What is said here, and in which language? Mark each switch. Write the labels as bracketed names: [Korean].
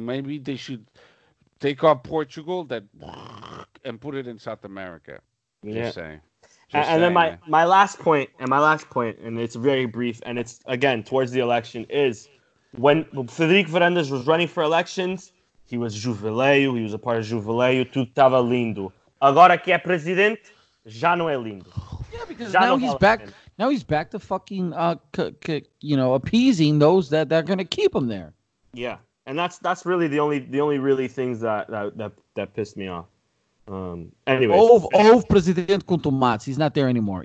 [English] Maybe they should take off Portugal and put it in South America. Yeah. Just saying. And then my last point, and it's very brief, and it's, again, towards the election, is when Frederico Varandas was running for elections, he was Juveleio, he was a part of Juveleio, [Portuguese] tudo estava lindo. Agora que é presidente, já não é lindo. [English] Yeah, because now he's back to fucking, appeasing those that are going to keep him there. Yeah, and that's really the only really things that pissed me off. [Portuguese] Houve presidente com tomates, [English] he's not there anymore.